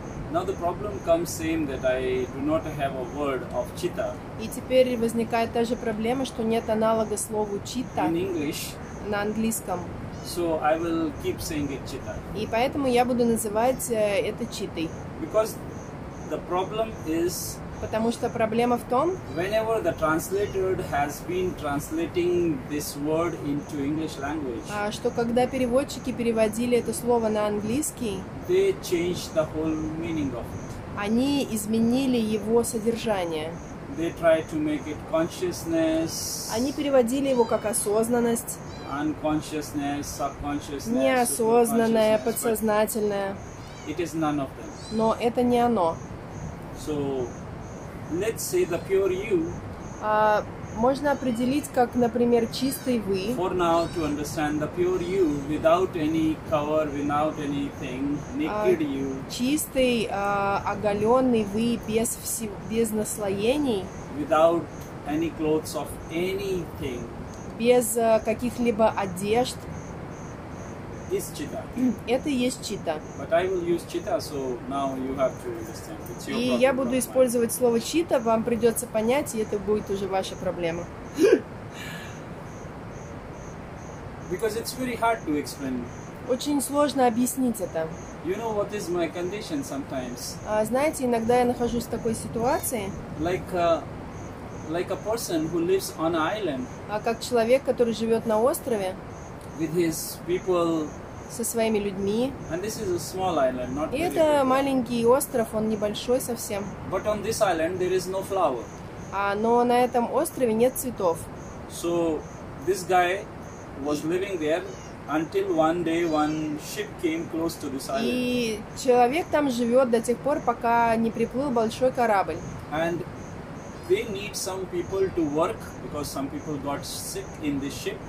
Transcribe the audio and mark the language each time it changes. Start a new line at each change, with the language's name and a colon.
English: Now the problem comes same that I do not have a word of chitta.
Russian: И теперь возникает та же проблема, что нет аналога слову chitta
English: in English.
Russian: На английском.
English: So I will keep saying it chitta.
Russian: И поэтому я буду называть это читой.
English: Because the problem is.
Russian: Потому что проблема в том.
English: Whenever the translator has been translating this word into English language.
Russian: А что когда переводчики переводили это слово на английский?
English: They changed the whole meaning of it.
Russian: Они изменили его содержание.
English: They tried to make it consciousness.
Russian: Они переводили его как осознанность.
English: Unconsciousness, subconsciousness,
Russian: неосознанное, подсознательное.
English: It is none of them.
Russian: Но это не оно.
English: So, let's say the pure you.
Russian: Можно определить, как, например, чистый вы.
English: For now, to understand the pure you without any cover, without anything, naked you.
Russian: Чистый, оголенный вы без без наслоений.
English: Without any clothes of anything.
Russian: Без каких-либо одежд.
English: Is chitta.
Russian: Это и есть читта.
English: But I will use chitta, so now you have to understand. It's your problem.
Russian: И я буду использовать слово читта, вам придется понять, и это будет уже ваша проблема.
English: Because it's very hard to explain.
Russian: Очень сложно объяснить это.
English: You know what is my condition sometimes?
Russian: Знаете, иногда я нахожусь в такой ситуации.
English: Like a person who lives on an island.
Russian: А как человек, который живет на острове.
English: With his people.
Russian: Со своими людьми.
English: And this is a small island, not.
Russian: И это маленький остров, он небольшой совсем.
English: But on this island there is no flower.
Russian: А но на этом острове нет цветов.
English: So this guy was living there until one day one ship came close to this island.
Russian: И человек там живет до тех пор, пока не приплыл большой корабль.
English: And they need some people to work because some people got sick in this ship.